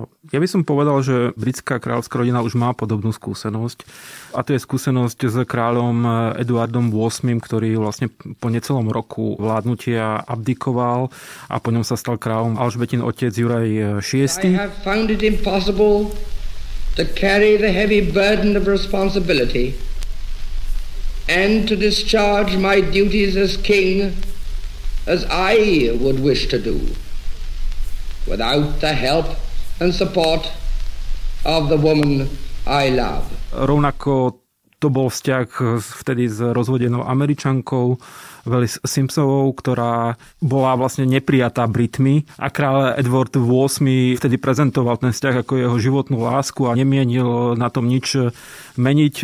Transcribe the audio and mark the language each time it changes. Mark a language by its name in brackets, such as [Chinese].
[Slovak] Ja by som povedal, že britská kráľovská rodina už má podobnú skúsenosť. A to je skúsenosť s kráľom Eduardom VIII, ktorý vlastne po necelom roku vládnutia abdikoval a po ňom sa stal kráľom Alžbetin otec Juraj VI. [English] I have found it impossible to carry the heavy burden of responsibility and to discharge my duties as king as I would wish to do without the help and support of the woman I love. [Slovak] Rovnako to bol vzťah vtedy s rozvodenou Američankou Velis Simpsonovou, ktorá bola vlastne neprijatá Britmi, a kráľ Edward VIII vtedy prezentoval ten vzťah ako jeho životnú lásku a nemienil na tom nič meniť.